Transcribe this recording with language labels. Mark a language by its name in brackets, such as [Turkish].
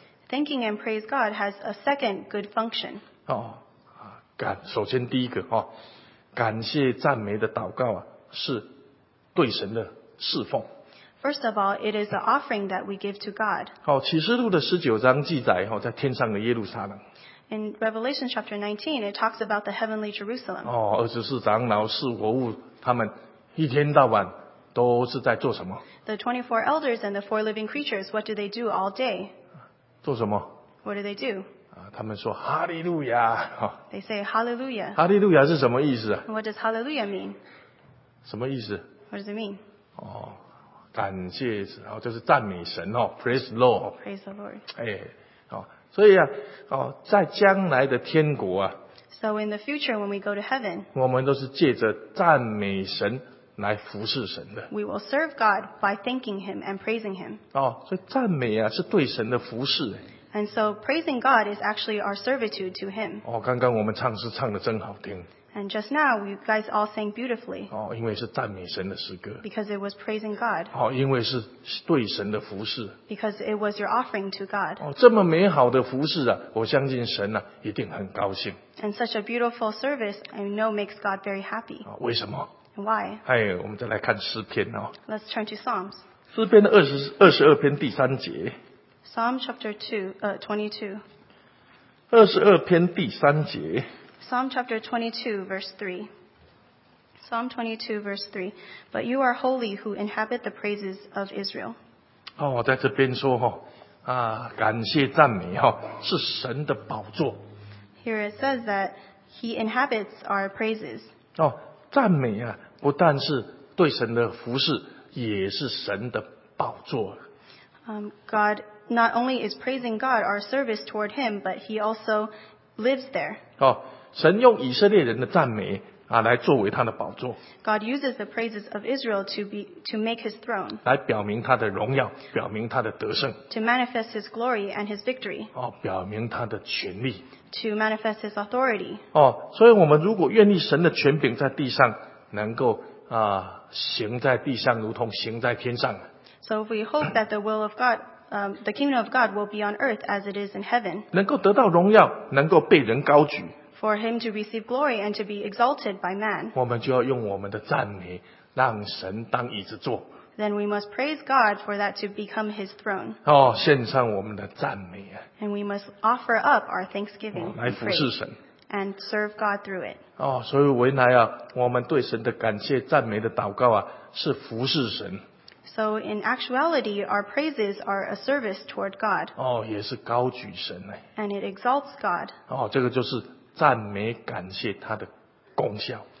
[English] Thanking and praise God has a second good function. [Chinese] 哦，感首先第一个哈，感谢赞美的祷告啊，是对神的侍奉。 [English] First of all, it is the offering that we give to God. [Chinese] 哦，启示录的十九章记载哈，在天上的耶路撒冷。 [English] In Revelation chapter 19, it talks about the heavenly Jerusalem. [Chinese] 哦，二十四长老、四活物，他们一天到晚。都是在做什么 [English] ？The 24 elders and the four living creatures, what do they do all day? [Chinese] 做什么 [English] ？What do they do? [Chinese] 啊，他们说哈利路亚。 [English] They say hallelujah. [Chinese] 哈利路亚是什么意思 [English] ？What does hallelujah mean? [Chinese] 什么意思 [English] ？What does it mean? [Chinese] 哦，感谢，然后就是赞美神哦 ， [English] Praise the Lord. Praise the Lord. [Chinese] 哎，哦，所以啊，哦，在将来的天国啊 [English] ，So in the future when we go to heaven, [Chinese] 我们都是借着赞美神。来服侍神的。 [English] We will serve God by thanking Him and praising Him. [Chinese] 哦，所以赞美啊是对神的服侍。 [English] And so praising God is actually our servitude to Him. [Chinese] 哦，刚刚我们唱诗唱得真好听。 [English] And just now you guys all sang beautifully. [Chinese] 哦，因为是赞美神的诗歌。 [English] Because it was praising God. [Chinese] 哦，因为是对神的服侍。 [English] Because it was your offering to God. [Chinese] 哦，这么美好的服侍啊，我相信神啊一定很高兴。 [English] And such a beautiful service, I know makes God very happy. [Chinese] 哦，为什么？ [English] Why? [Chinese] 哎，我们再来看诗篇哦。 [English] Let's turn to Psalms. [Chinese] 诗篇的二十二篇第三节。 [English] Psalm chapter 22. [Chinese] 二十二篇第三节。 [English] Psalm chapter 22 verse 3. Psalm 22 verse 3. But you are holy who inhabit the praises of Israel. [Chinese] 哦，在这边说哈，啊，感谢赞美哈，是神的宝座。 [English] Here it says that he inhabits our praises. [Chinese] 哦。赞美啊，不但是对神的服事，也是神的宝座。 [English] God not only is praising God, our service toward Him, but He also lives there. [Chinese] 哦，神用以色列人的赞美啊来作为他的宝座。 [English] God uses the praises of Israel to make his throne. [Chinese] 来表明他的荣耀，表明他的得胜。 [English] To manifest his glory and his victory. [Chinese] 哦，表明他的权力。 [English] To manifest his authority. [Chinese] 哦，所以我们如果愿意神的权柄在地上能够啊行在地上，如同行在天上。 [English] So if we hope that the will of God, the kingdom of God will be on earth as it is in heaven. [Chinese] 能够得到荣耀，能够被人高举。 [English] For him to receive glory and to be exalted by man. [Chinese] 我们就要用我们的赞美让神当椅子坐。 [English] Then we must praise God for that to become his throne. [Chinese] 哦，献上我们的赞美啊。 [English] And we must offer up our thanksgiving. [Chinese] 来服侍神。 [English] And serve God through it. [Chinese] 哦，所以原来啊，我们对神的感谢、赞美的祷告啊，是服侍神。 [English] So in actuality, our praises are a service toward God. [Chinese] 哦，也是高举神呢。 [English] And it exalts God. [Chinese] 哦，这个就是赞美感谢他的功效。